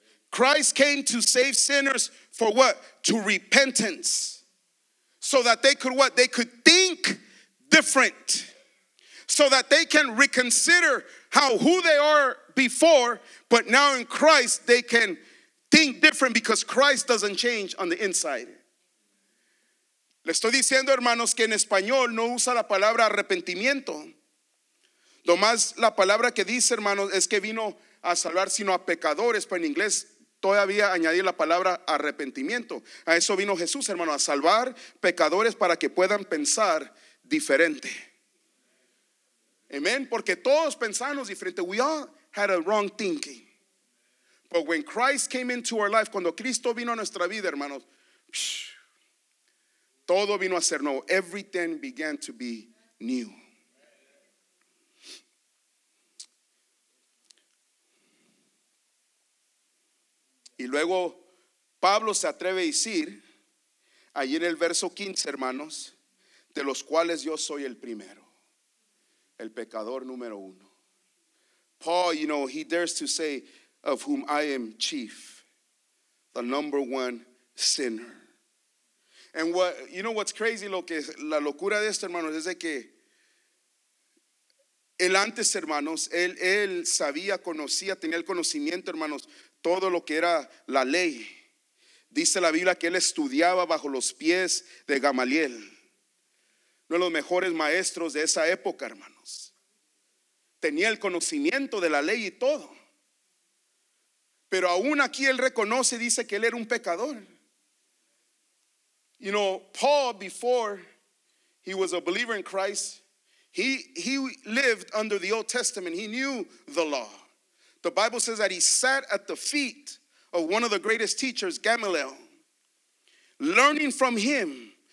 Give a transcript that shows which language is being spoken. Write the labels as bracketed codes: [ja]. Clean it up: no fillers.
[en] Christ came to save sinners for what? To repentance. So that they could what? They could think different. So that they can reconsider how who they are before, but now in Christ they can think different because Christ doesn't change on the inside. [es] Le estoy diciendo, hermanos, que en español no usa la palabra arrepentimiento. Nomás la palabra que dice, hermanos, es que vino a salvar sino a pecadores, pero en inglés todavía añadí la palabra arrepentimiento. A eso vino Jesús, hermano, a salvar pecadores para que puedan pensar diferente. Amén. Porque todos pensamos diferente. [en] We all had a wrong thinking. But when Christ came into our life, [es] cuando Cristo vino a nuestra vida, hermanos, todo vino a ser nuevo. [en] Everything began to be new. [es] Y luego Pablo se atreve a decir, allí en el verso 15, hermanos, de los cuales yo soy el primero, el pecador número uno. [en] Paul, you know, he dares to say, of whom I am chief, the number one sinner. And what, you know what's crazy, [es] lo que, la locura de esto, hermanos, es de que él antes, hermanos, él sabía, conocía, tenía el conocimiento, hermanos, todo lo que era la ley. Dice la Biblia que él estudiaba bajo los pies de Gamaliel, uno de los mejores maestros de esa época, hermanos. Tenía el conocimiento de la ley y todo. Pero aún aquí él reconoce y dice que él era un pecador. [en] You know, Paul, before he was a believer in Christ, he lived under the Old Testament. He knew the law. The Bible says that he sat at the feet of one of the greatest teachers, Gamaliel, learning from him.